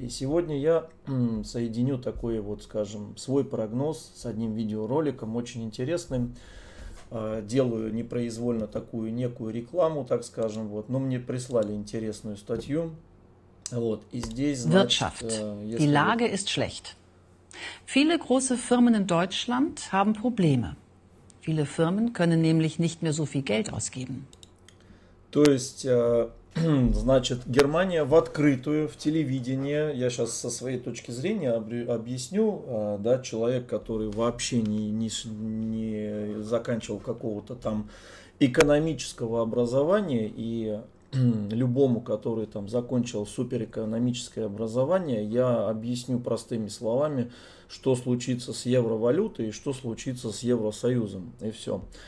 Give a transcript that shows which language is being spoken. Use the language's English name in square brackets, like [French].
[Russian] И сегодня я соединю такой вот, скажем, свой прогноз с одним видеороликом, очень интересным. Делаю непроизвольно такую некую рекламу, так скажем, вот. Но мне прислали интересную статью. Вот, и здесь, значит, [German] Die Lage ist schlecht. Viele große Firmen in Deutschland haben Probleme. Viele Firmen können nämlich nicht mehr so viel Geld ausgeben. [Russian] То есть, значит, Германия в открытую, в телевидении, я сейчас со своей точки зрения объясню, да, человек, который вообще не заканчивал какого-то там экономического образования, и любому, который там закончил суперэкономическое образование, я объясню простыми словами, что случится с евровалютой и что случится с Евросоюзом, и все.